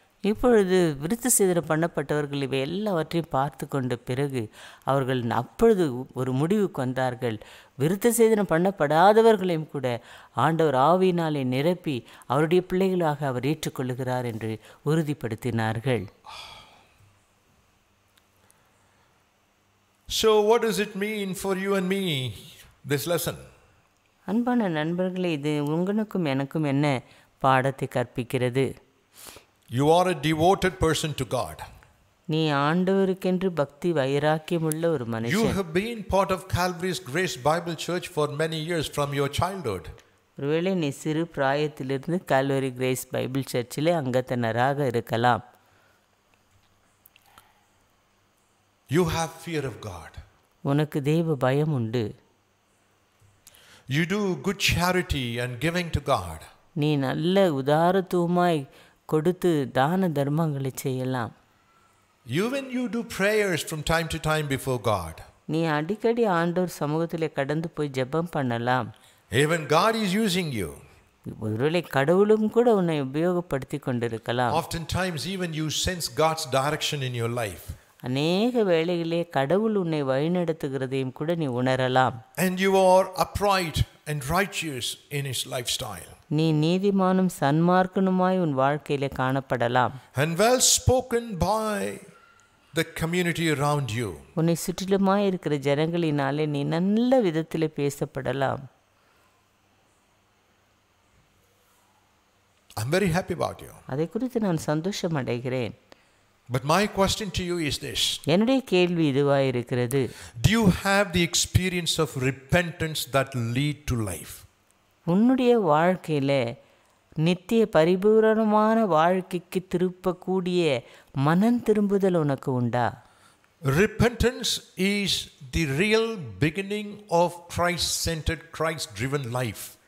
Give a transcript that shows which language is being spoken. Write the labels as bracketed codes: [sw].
[ta] இப்பொழுது விருத்த சேதனம் பண்ணப்பட்டவர்கள் இவை எல்லாவற்றையும் பார்த்து கொண்ட பிறகு அவர்கள் அப்பொழுது ஒரு முடிவுக்கு வந்தார்கள். விருத்த சேதனம் பண்ணப்படாதவர்களையும் கூட ஆண்டவர் ஆவியினாலே நிரப்பி அவருடைய பிள்ளைகளாக அவர் ஏற்றுக்கொள்ளுகிறார் என்று உறுதிப்படுத்தினார்கள். [en] So what does it mean for you and me, this lesson? [ta] அன்பான நண்பர்களே, இது உங்களுக்கும் எனக்கும் என்ன பாடத்தை கற்பிக்கிறது? [en] You are a devoted person to God. [ta] நீ ஆண்டவருக்கென்று பக்தி வைராக்கியமுள்ள ஒரு மனுஷன். [en] You have been part of Calvary's Grace Bible Church for many years from your childhood. [ta] ஒருவேளை நீ சிறு பிராயத்திலிருந்து கால்வரி கிரேஸ் பைபிள் சர்ச்சிலே அங்கத்தினராக இருக்கலாம். [en] You have fear of God. [ta] உனக்கு தேவ பயம் உண்டு. [en] You do good charity and giving to God. [ta] நீ நல்ல உதாரத்துவமாய் கொடுத்து தான தர்மங்களை செய்யலாம். [en] Even you do prayers from time to time before God. [ta] நீ அடிக்கடி ஆண்டவர் சமூகத்திலே கடந்து போய் ஜெபம் பண்ணலாம். [en] Even God is using you. [ta] ஒருவேளை கடவுளும் கூட உன்னை உபயோகப்படுத்தி கொண்டிருக்கலாம். [en] Often times even you sense God's direction in your life. [ta] அநேக வேளைகளிலே கடவுள் உன்னை வழிநடத்துகிறதையும் கூட நீ உணரலாம். [en] And you are upright and righteous in his lifestyle. [ta] நீ நீதிமானும் சன்மார்க்கனுமாய் உன் வாழ்க்கையிலே காணப்படலாம். [en] And well spoken by the community around you. [ta] உன்னை சுற்றிலுமாய் இருக்கிற ஜனங்களினாலே நீ நல்ல விதத்திலே பேசப்படலாம். [en] I'm very happy about you. [ta] அதை குறித்து நான் சந்தோஷம் அடைகிறேன். [en] But my question to you is this. [ta] என்னுடைய கேள்வி இதுவா இருக்கிறது. [en] Do you have the experience of repentance that lead to life? [ta] உன்னுடைய வாழ்க்கையில நித்திய பரிபூரணமான வாழ்க்கைக்கு திருப்பக்கூடிய மனம் திரும்புதல் உனக்கு உண்டா? [en] Repentance is the real beginning of Christ-centered, Christ-driven life.